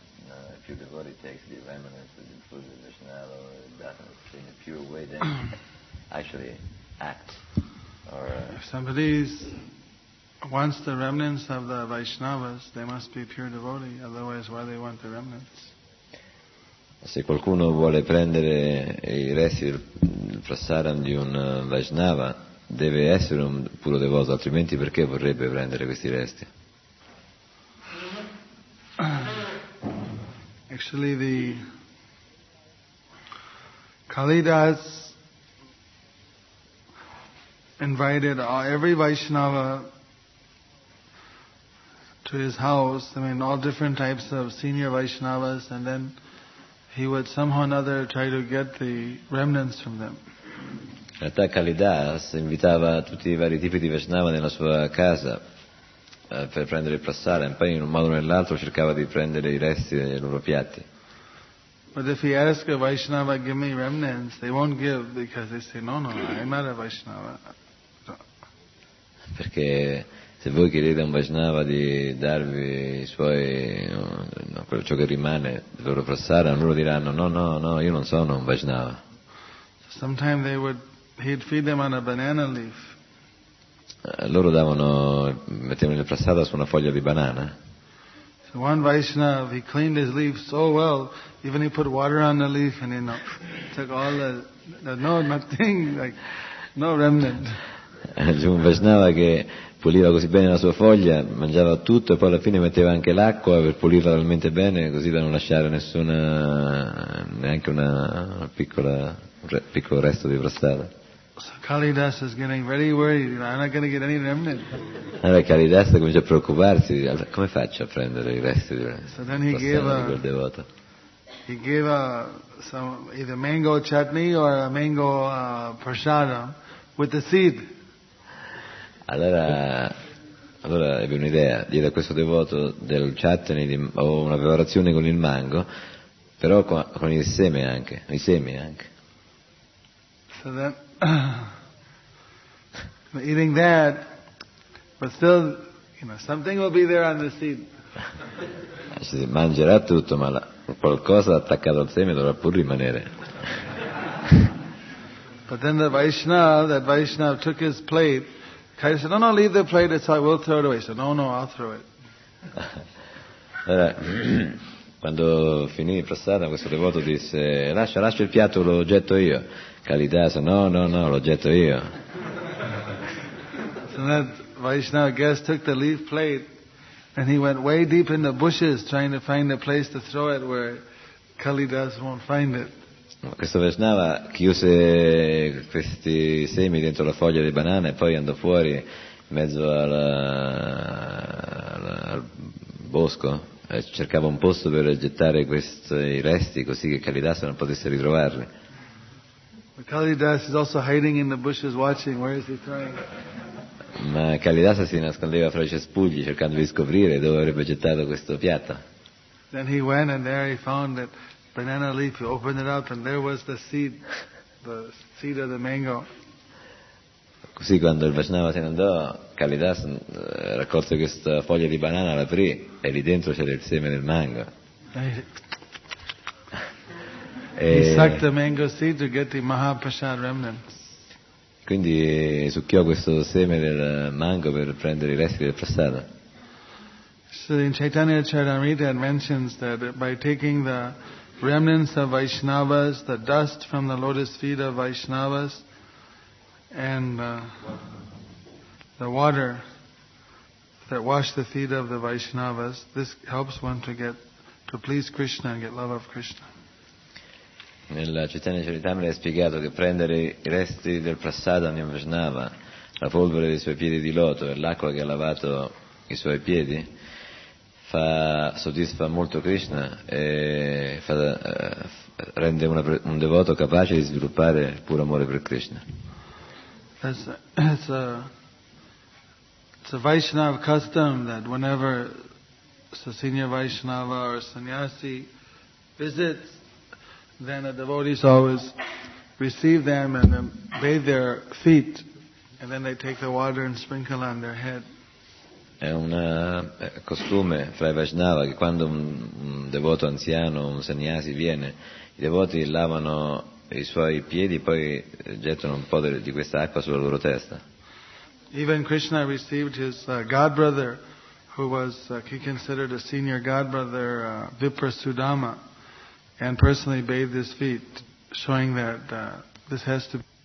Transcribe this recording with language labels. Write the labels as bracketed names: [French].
[English] A pure devotee takes the remnants of the food, the Vaishnava, or does it in a pure way, then actually act. Or, if somebody is. Once the remnants of the Vaishnavas, they must be pure devotee, otherwise why they want the remnants? [Italian] Se qualcuno vuole prendere i resti del prasadam di un Vaishnava, deve essere un puro devoto, altrimenti perché vorrebbe prendere questi resti? [English] Actually, the Kalidas invited every Vaishnava to his house, I mean all different types of senior Vaishnavas, and then he would somehow or another try to get the remnants from them. [Italian] In realtà Kalidas invitava tutti i vari tipi di Vaishnava nella sua casa per prendere il prasada, e poi in un modo o nell'altro cercava di prendere i resti dei loro piatti. [English] But if he asks a Vaishnava, give me remnants, they won't give because they say, no, I'm not a Vaishnava. [Italian] Perché se voi chiedete a un Vaishnava di darvi i suoi, quello ciò che rimane del loro prasadam, loro diranno no, io non sono un Vaishnava. [English] Sometimes they would, he'd feed them on a banana leaf. [Italian] Loro davano, mettevano il prasadam su una foglia di banana. [English] So one Vaishnava, he cleaned his leaf so well, even he put water on the leaf and took all no remnant. [Italian] C'è un Vaishnava che puliva così bene la sua foglia, mangiava tutto e poi alla fine metteva anche l'acqua per pulirla talmente bene così da non lasciare nessuna, neanche una piccola, piccolo resto di prasada. [English] So Kalidas is getting very worried, I'm not going to get any remnant. [Italian] Allora Kalidas comincia a preoccuparsi, come faccio a prendere i resti di prasada di quel devoto? [English] He gave either mango chutney or a mango prasada with the seed. [Italian] Allora ebbe un'idea, diede a questo devoto del chutney o una preparazione con il mango, però con il seme anche, i semi anche. [English] So then, eating that, but still, something will be there on the seed. [Italian] Si mangerà tutto, ma qualcosa attaccato al seme dovrà pur rimanere. [English] But then the Vaishnava, that Vaishnava took his plate. Kali said, no, leave the plate, it's all, we'll throw it away. He said, no, I'll throw it. [Italian] Allora, quando finì il prasada, questo devoto disse, lascia il piatto, lo getto io. Kali disse, no, lo getto io. [English] So that Vaishnava guest took the leaf plate and he went way deep in the bushes trying to find a place to throw it where Kali Das won't find it. [Italian] Questo Vaishnava chiuse questi semi dentro la foglia di banana e poi andò fuori in mezzo al bosco e cercava un posto per gettare questi resti così che Kalidas non potesse ritrovarli. [English] Kalidas is also hiding in the bushes watching, where is he throwing? [Italian] Ma Kalidas si nascondeva fra i cespugli cercando di scoprire dove avrebbe gettato questo piatto. [English] Then he went and there he found that banana leaf, you opened it up and there was the seed of the mango. [Italian] Così quando il Vaishnava se ne andò, Kalidas raccolse questa foglia di banana, l'aprì e lì dentro c'era il seme del mango. [English] He sucked the mango seed to get the Mahaprasad remnants. [Italian] Quindi succhiò questo seme del mango per prendere i resti del prasada. [English] So in Chaitanya Charitamrita it mentions that by taking the remnants of Vaishnavas, the dust from the lotus feet of Vaishnavas, and the water that washed the feet of the Vaishnavas, this helps one to get to please Krishna and get love of Krishna. [Italian] Nella Chaitanya Charitamrita è spiegato che prendere i resti del prasada di Vaishnava, la polvere dei suoi piedi di loto e l'acqua che ha lavato i suoi piedi, soddisfa molto Krishna e rende un devoto capace di sviluppare il puro amore per Krishna. [English] It's a Vaishnava custom that whenever a senior Vaishnava or sannyasi visits, then the devotees always receive them and then bathe their feet, and then they take the water and sprinkle on their head. [Italian] È un costume fra i Vaishnava che quando un devoto anziano, un sannyasi viene, i devoti lavano i suoi piedi e poi gettano un po' di questa acqua sulla loro testa. [English] Even Krishna received his godbrother, who was he considered a senior godbrother, Viprasudama, and personally bathed his feet, showing that this has to be.